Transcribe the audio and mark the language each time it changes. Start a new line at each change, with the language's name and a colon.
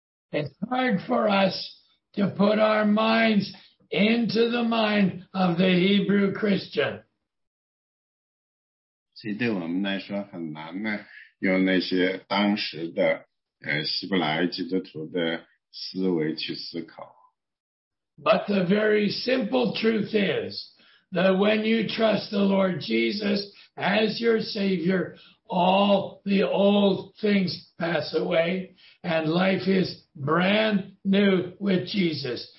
English: It's hard for us to put our minds into the mind of the Hebrew Christian.
Chinese: 所以对我们来说很难呢，用那些当时的希伯来基督徒的思维去思考。
English: But the very simple truth is that when you trust the Lord Jesus as your Savior, all the old things pass away, and life is brand new with Jesus.